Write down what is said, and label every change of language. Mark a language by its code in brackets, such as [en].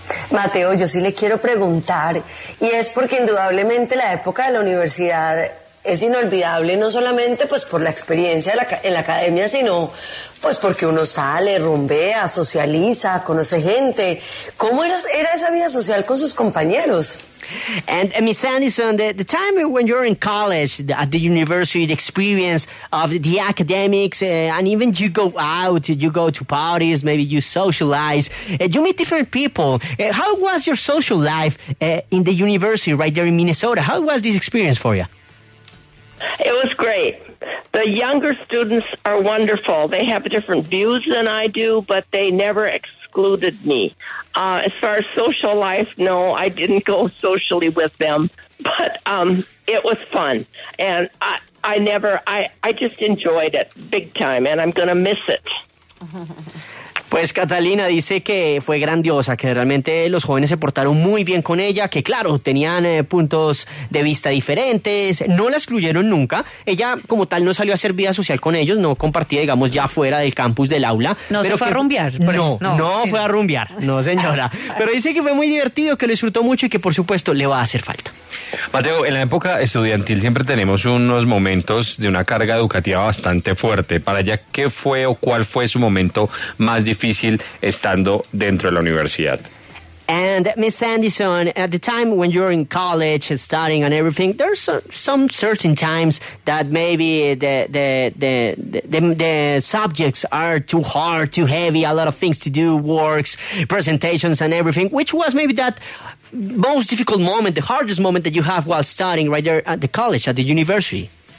[es] Mateo, yo sí le quiero preguntar, y es porque indudablemente la época de la universidad es inolvidable, no solamente pues por la experiencia en la academia, sino pues porque uno sale, rumbea, socializa, conoce gente. ¿Cómo era esa vida social con sus compañeros? [en] And Miss Anderson, the time when you're in college, at the university, the experience of the academics, and even you go out, you go to parties, maybe you socialize, you meet different people. How was your social life in the university right there in Minnesota? How was this experience for you? It was great. The younger students are wonderful. They have different views than I do, but they never excluded me. As far as social life, no, I didn't go socially with them, but it was fun. And I just enjoyed it big time, and I'm going to miss it. [es] Pues Catalina dice que fue grandiosa, que realmente los jóvenes se portaron muy bien con ella, que claro, tenían puntos de vista diferentes, no la excluyeron nunca. Ella como tal no salió a hacer vida social con ellos, no compartía, digamos, ya fuera del campus del aula. No, pero se fue a rumbear. Fue a rumbear, no señora. Pero dice que fue muy divertido, que lo disfrutó mucho y que por supuesto le va a hacer falta. Mateo, en la época estudiantil siempre tenemos unos momentos de una carga educativa bastante fuerte. Para ella, ¿qué fue o cuál fue su momento más difícil estando dentro de la universidad? [en] And Miss Anderson, at the time when you're in college, studying and everything, there's some certain times that maybe the subjects are too hard, too heavy, a lot of things to do, works, presentations and everything, which was maybe that most difficult moment, the hardest moment that you have while studying right there at the college, at the university?